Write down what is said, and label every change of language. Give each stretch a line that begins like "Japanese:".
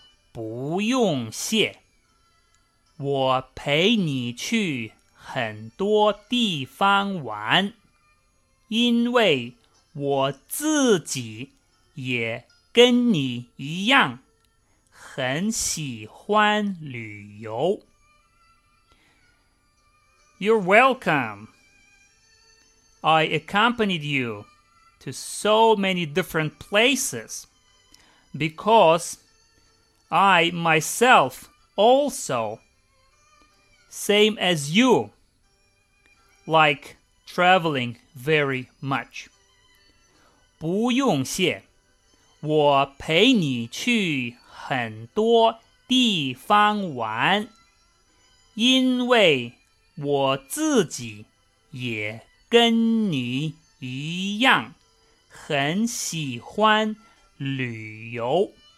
Chinese: 不用谢，我陪你去很多地方玩，因为我自己也跟你一样，很喜欢旅游。
English: You're welcome. I accompanied you to so many different places because I myself also, same as you, like traveling very much.
Chinese: 不用谢，我陪你去很多地方玩，因为我自己也跟你一样，很喜欢旅游。